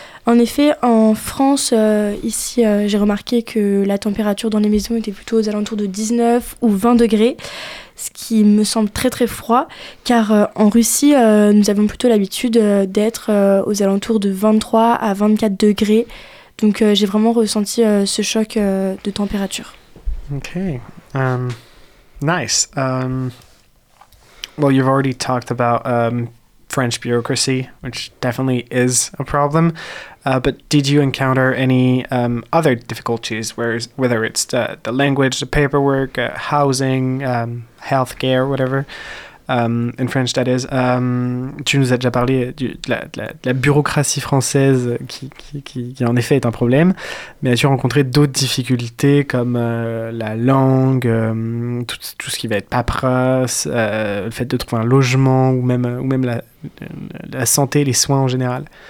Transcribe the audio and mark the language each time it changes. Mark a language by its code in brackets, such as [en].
[fr] En effet, en France, ici, j'ai remarqué que la température dans les maisons était plutôt aux alentours de 19 ou 20 degrés, ce qui me semble très très froid, car en Russie, nous avons plutôt l'habitude d'être aux alentours de 23 à 24 degrés. Donc j'ai vraiment ressenti ce choc de température. [en] Ok, nice. Well, you've already talked about French bureaucracy, which definitely is a problem. But did you encounter any other difficulties, whether it's the language, the paperwork, housing, healthcare, whatever, in French that is. [fr] Tu nous as déjà parlé de la bureaucratie française qui en effet est un problème, mais as-tu rencontré d'autres difficultés comme la langue, tout ce qui va être paperasse, le fait de trouver un logement ou même la santé, les soins en général?